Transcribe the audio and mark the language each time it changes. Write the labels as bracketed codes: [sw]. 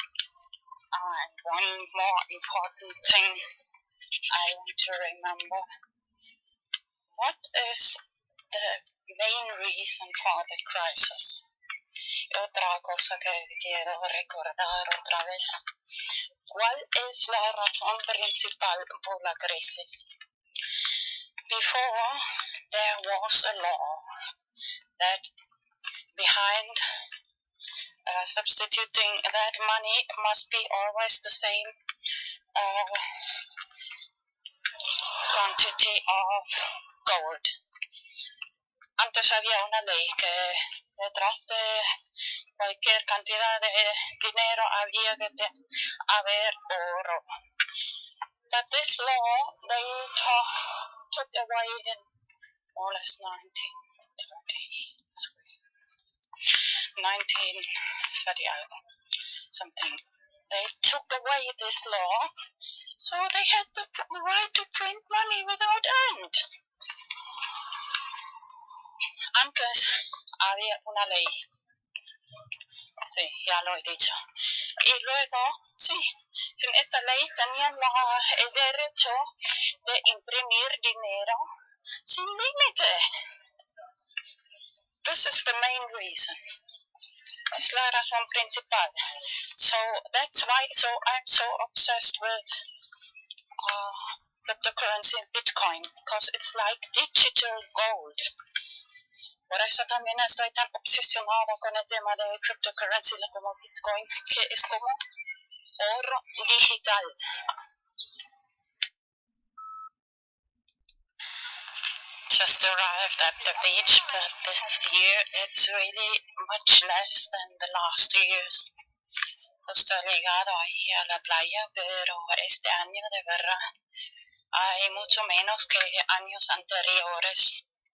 [en] And one more important thing I want to remember. What is the main reason for the crisis? [es] Otra cosa que quiero recordar otra vez. ¿Cuál es la razón principal por la crisis? [en] Before, there was a law that behind substituting that money must be always the same quantity of gold. [es] Antes había una ley que detrás de cualquier cantidad de dinero había que haber oro. [en] But this law, they took away in more or less 1930 something. They took away this law, so they had the right to print money without end. [es] Antes había una ley. Sí, ya lo he dicho. Y luego, sí, sin esta ley tenían el derecho de imprimir dinero sin límite. [en] This is the main reason. [es] Es la razón principal. [en] So that's why I'm so obsessed with cryptocurrency and Bitcoin, because it's like digital gold. [es] Por eso también estoy tan obsesionado con el tema de cryptocurrency como Bitcoin, que es como oro digital. [en] Just arrived at the beach, but this year it's really much less than the last years. [es] Estoy ligado ahí a la playa, pero este año de verdad hay mucho menos que años anteriores.